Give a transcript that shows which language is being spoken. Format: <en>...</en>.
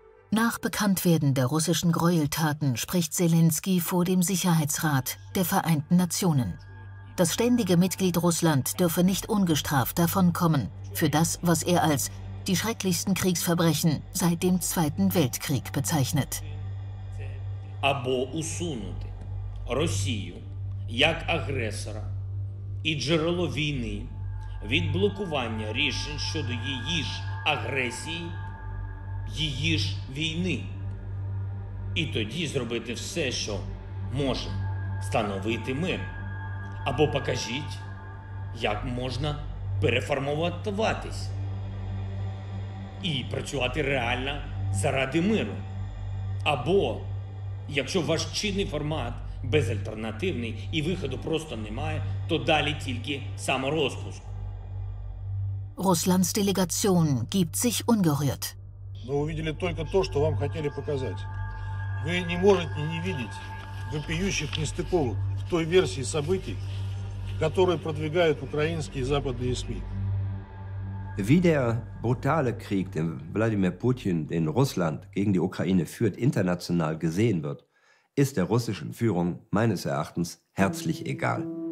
<de>Nach Bekanntwerden der russischen Gräueltaten spricht Selenskyj vor dem Sicherheitsrat der Vereinten Nationen. Das ständige Mitglied Russland dürfe nicht ungestraft davonkommen für das, was er als die schrecklichsten Kriegsverbrechen seit dem Zweiten Weltkrieg bezeichnet.</de> <uk>Або усунути Росію як агресора і джерело війни, відблокування рішень щодо її ж агресії. Її ж війни. І тоді зробити все, що може встановити мир. Або покажіть, як можна переформуватись і працювати реально заради миру. Або, якщо ваш чинний формат безальтернативний і виходу просто немає, то далі тільки саморозпуск.</uk> <de>Russlands Delegation gibt sich ungerührt.</de> <ru>Но вы видели только то, что вам хотели показать. Вы не можете не видеть вопиющих нестыковок в той версии событий, которые продвигают украинские и западные СМИ.</ru> <de>Wie der brutale Krieg, den Wladimir Putin in Russland gegen die Ukraine führt, international gesehen wird, ist der russischen Führung meines Erachtens herzlich egal.</de>